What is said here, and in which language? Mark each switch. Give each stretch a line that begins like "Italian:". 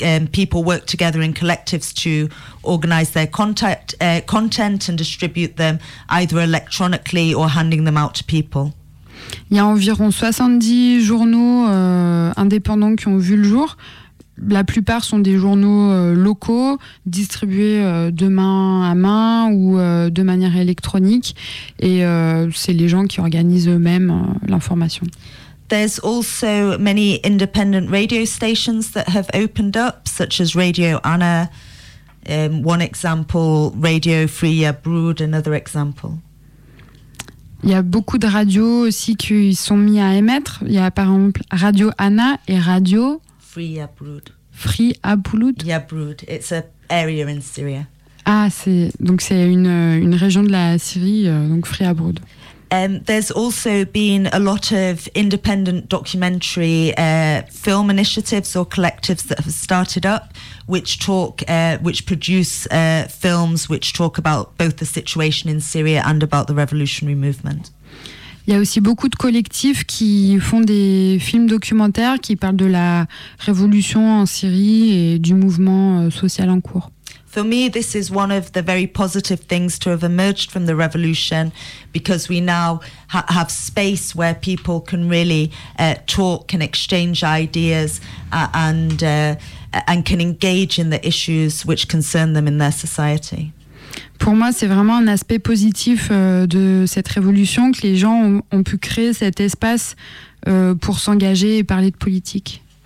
English: People work together in collectives to organize their content and distribute them either electronically or handing them out to people.
French: Il y a environ 70 journaux indépendants qui ont vu le jour. La plupart sont des journaux locaux, distribués de main à main ou de manière électronique. Et c'est les gens qui organisent eux-mêmes l'information.
English: There's also many independent radio stations that have opened up, such as Radio Anna, one example, Radio Fria Brood, another example.
French: Il y a beaucoup de radios aussi qui sont mis à émettre. Il y a par exemple Radio Anna et Radio Fria Brood.
English: Free Abulut. Yeah, Brood. It's an area in Syria.
French: Ah, c'est une région de la Syrie, donc Free Abulut.
English: There's also been a lot of independent documentary film initiatives or collectives that have started up, which produce films which talk about both the situation in Syria and about the revolutionary movement.
French: Il y a aussi beaucoup de collectifs qui font des films documentaires qui parlent de la révolution en Syrie et du mouvement social en cours.
English: For me, this is one of the very positive things to have emerged from the revolution, because we now have space where people can really talk and exchange ideas and can engage in the issues which concern them in their society.
French: Pour moi, c'est vraiment un aspect positif de cette révolution que les gens ont pu créer cet espace pour s'engager et parler de politique.